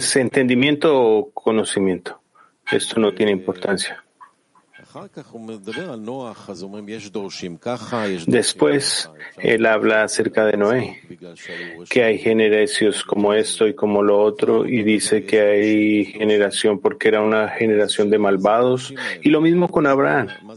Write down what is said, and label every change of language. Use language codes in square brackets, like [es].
[es] זה entendimiento או conocimiento? Esto no tiene importancia. [he] אחר כך הוא מדבר על נוח, אז אומרים, יש דורשים ככה, יש... [es] Después, él habla acerca de Noé, que hay generaciones como esto y como lo otro, y dice que hay generación porque era una generación de malvados, y lo mismo con Abraham.